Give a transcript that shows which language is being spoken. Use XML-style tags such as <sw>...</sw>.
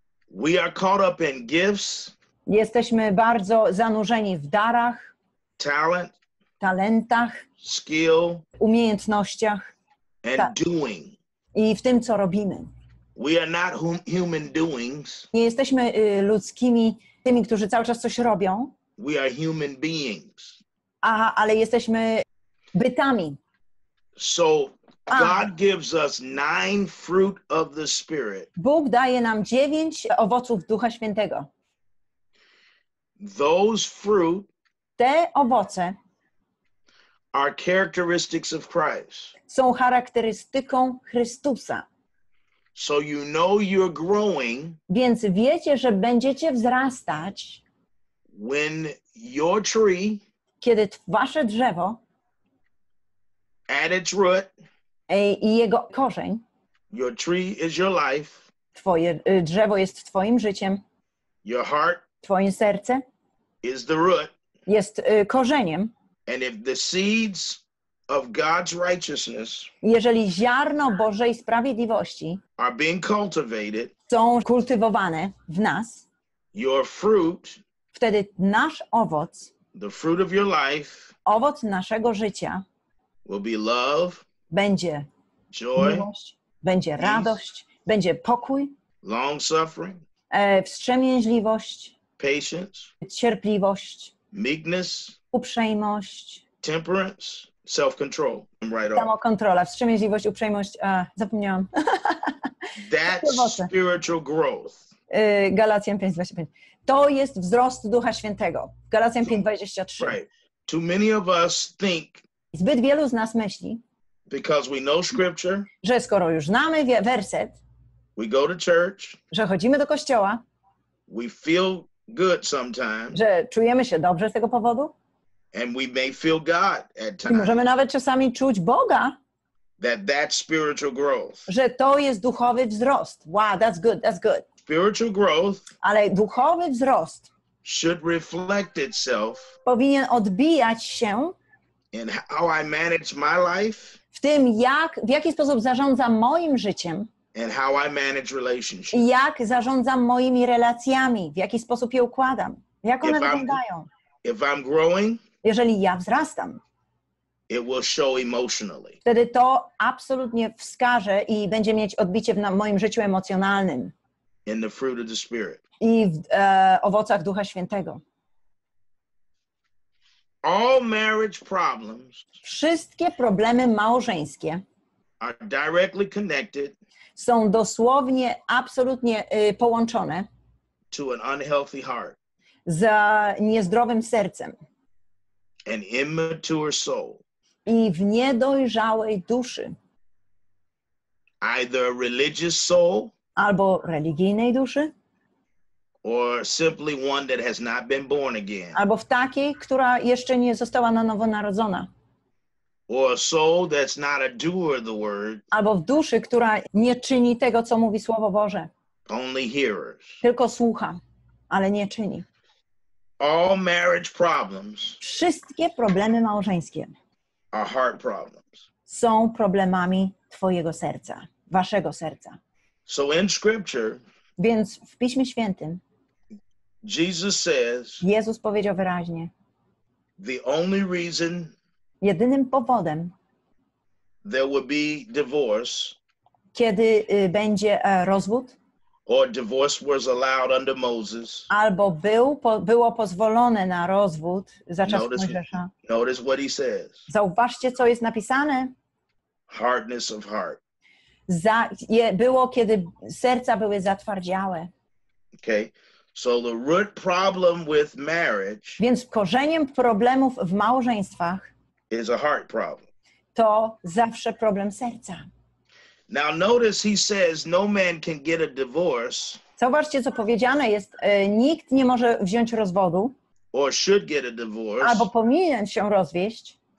<en>We are caught up in gifts,</en> <pl>jesteśmy bardzo zanurzeni w darach, talentach,</pl> <en>skill,</en> <pl>umiejętnościach</pl> <en>and doing.</en> <pl>I w tym, co robimy.</pl> <en>We are not human doings.</en> <pl>Nie jesteśmy ludzkimi, tymi, którzy cały czas coś robią.</pl> <en>We are human beings.</en> <pl>Aha, ale jesteśmy bytami.</pl> <en>So God gives us 9 fruit of the Spirit.</en> <pl>Bóg daje nam 9 owoców Ducha Świętego.</pl> <en>Those fruit</en> <pl>te owoce</pl> <en>are characteristics of Christ.</en> <pl>Są charakterystyką Chrystusa.</pl> <en>So you know you're growing.</en> <pl>Więc wiecie, że będziecie wzrastać.</pl> <en>When your tree</en> <pl>kiedy wasze drzewo</pl> <en>at its root</en> <pl>i jego korzeń</pl> <en>your tree is your life</en> <pl>twoje drzewo jest twoim życiem</pl> <en>your heart</en> <pl>twoje serce</pl> <en>is the root</en> <pl>jest korzeniem</pl> <en>and if the seeds of God's righteousness</en> <pl>jeżeli ziarno Bożej sprawiedliwości</pl> <en>are being cultivated</en> <pl>są kultywowane w nas</pl> <en>your fruit</en> <pl>wtedy nasz owoc</pl> <en>the fruit of your life</en> <pl>owoc naszego życia</pl> <en>will be love</en> <pl>będzie</pl> <en>joy,</en> <pl>miłość, będzie peace, radość, będzie pokój,</pl> <en>long suffering,</en> <pl>wstrzemięźliwość,</pl> <en>patience,</en> <pl>cierpliwość,</pl> <en>meekness,</en> <pl>uprzejmość,</pl> <en>temperance, self-control.</en> <pl>Right samokontrola, wstrzemięźliwość, uprzejmość, zapomniałam.</pl> <en>That's spiritual growth.</en> <pl>Galacjan 5:25. To jest wzrost Ducha Świętego. Galacjan 5:23.</pl> <en>Right. Too many of us think</en> <pl>zbyt wielu z nas myśli</pl> <en>because we know scripture,</en> <pl>że skoro już znamy werset,</pl> <en>we go to church,</en> <pl>że chodzimy do kościoła,</pl> <en>we feel good sometimes,</en> <pl>że czujemy się dobrze z tego powodu,</pl> <en>and we may feel God at times,</en> <pl>i możemy nawet czasami czuć Boga,</pl> <en>that spiritual growth,</en> <pl>że to jest duchowy wzrost.</pl> <en>Wow, that's good. Spiritual growth,</en> <pl>ale duchowy wzrost</pl> <en>should reflect itself,</en> <pl>powinien odbijać się</pl> <en>in how I manage my life,</en> <pl>w tym, jak, w jaki sposób zarządzam moim życiem</pl> <en>and how I manage relationships.</en> <pl>I jak zarządzam moimi relacjami, w jaki sposób je układam, jak one wyglądają.</pl> <en>If I'm growing,</en> <pl>jeżeli ja wzrastam,</pl> <en>it will show emotionally.</en> <pl>Wtedy to absolutnie wskaże i będzie mieć odbicie w moim życiu emocjonalnym</pl> <en>in the fruit of the Spirit.</en> <pl>I w owocach Ducha Świętego.</pl> <en>All marriage problems</en> <pl>wszystkie problemy małżeńskie</pl> <en>are directly connected</en> <pl>są dosłownie, absolutnie połączone</pl> <en>to an unhealthy heart</en> <pl>z niezdrowym sercem</pl> <en>an immature soul</en> <pl>i w niedojrzałej duszy.</pl> <en>Either a religious soul</en> <pl>albo religijnej duszy,</pl> <en>or simply one that has not been born again.</en> <pl>Albo w takiej, która jeszcze nie została na nowo narodzona.</pl> <en>Or a soul that's not a doer of the word.</en> <pl>Albo w duszy, która nie czyni tego, co mówi Słowo Boże.</pl> <en>Only hearers.</en> <pl>Tylko słucha, ale nie czyni.</pl> <en>All marriage problems.</en> <pl>Wszystkie problemy małżeńskie.</pl> <en>Are heart problems.</en> <pl>Są problemami twojego serca, waszego serca.</pl> <en>So in scripture,</en> <pl>więc w Piśmie Świętym</pl> <en>Jesus says,</en> <pl>Jezus powiedział wyraźnie,</pl> <en>the only reason</en> <pl>jedynym powodem</pl> <en>there will be divorce,</en> <pl>kiedy będzie rozwód</pl> <en>or divorce was allowed under Moses,</en> <pl>albo było pozwolone na rozwód za czas Mojżesza.</pl> <en>Notice what he says.</en> <pl>Zauważcie, co jest napisane.</pl> <en>Hardness of heart.</en> <pl>Było, kiedy serca były zatwardziałe.</pl> <en>Okay. So the root problem with marriage,</en> <pl>więc korzeniem problemów w małżeństwach</pl> <en>is a heart problem.</en> <pl>To zawsze problem serca.</pl> <en>Now notice he says no man can get a divorce.</en> <pl>Zauważcie, co powiedziane jest, nikt nie może wziąć rozwodu</pl> <en>or should get a divorce,</en> <pl>albo powinien się rozwieść</pl>